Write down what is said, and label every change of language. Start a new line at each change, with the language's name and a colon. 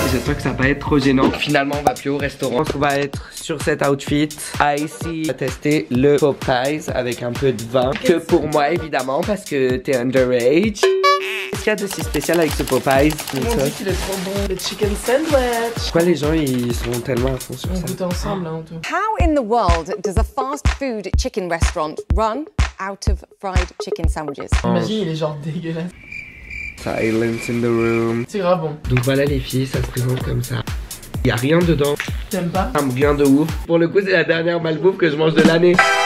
French: J'espère que ça va pas être trop gênant. Finalement, on va plus au restaurant. On va être sur cet outfit. Ici, on va tester le Popeyes avec un peu de vin. Que pour moi, évidemment, parce que t'es underage. Qu'est-ce qu'il y a de si spécial avec ce Popeyes? On dit qu'il est trop bon. Le chicken sandwich. Pourquoi les gens ils sont tellement à fond sur on ça? On goûte ensemble là en tout.
English: How in the world does a fast food chicken restaurant run out of fried chicken sandwiches?
French: Imagine, il est genre dégueulasse.
English: Silence in the room.
French: C'est grave bon. Donc voilà les filles, ça se présente comme ça. Il y a rien dedans. T'aimes pas? Un bien de ouf. Pour le coup, c'est la dernière malbouffe que je mange de l'année.